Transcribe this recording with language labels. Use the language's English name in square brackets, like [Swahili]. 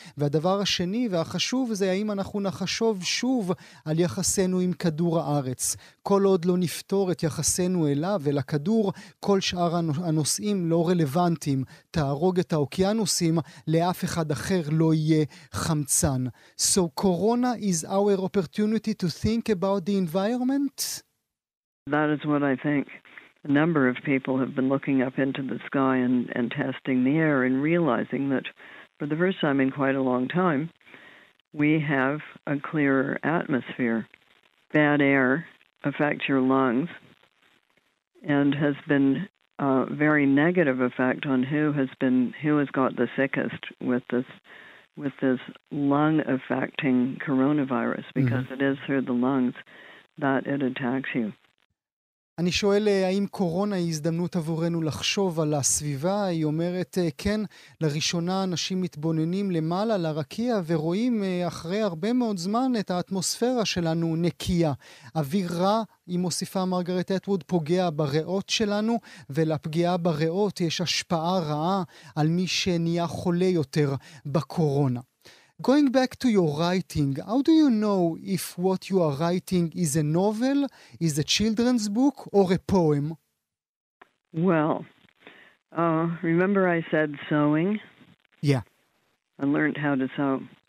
[Hebrew] והדבר השני והחשוב זה האם אנחנו נחשוב שוב על יחסנו עם כדור הארץ. כל עוד לא נפתור את יחסנו אליו ולכדור, כל שאר הנושאים לא רלוונטיים. תהרוג את האוקיינוסים, לאף אחד אחר לא יהיה חמצן. [English] So corona is our opportunity to think about the environment? That is what I think. A number of people have been looking up into the sky and testing the air and realizing that for the first time in quite a long time, we have a clearer atmosphere. Bad air affects your lungs and has been a very negative effect on who has got the sickest with this lung affecting coronavirus, because it is through the lungs that it attacks you. [Hebrew] אני שואל, האם קורונה היא הזדמנות עבורנו לחשוב על הסביבה? היא אומרת, כן, לראשונה אנשים מתבוננים למעלה, לרקיע, ורואים אחרי הרבה מאוד זמן את האטמוספירה שלנו נקייה. אוויר רע, היא מוסיפה מרגרט אטווד, פוגע בריאות שלנו, ולפגיעה בריאות יש השפעה רעה על מי שנהיה חולה יותר בקורונה. [English] Going back to your writing, how do you know if what you are writing is a novel, is a children's book, or a poem? Well, remember I said sewing? Yeah. I learned how to sew.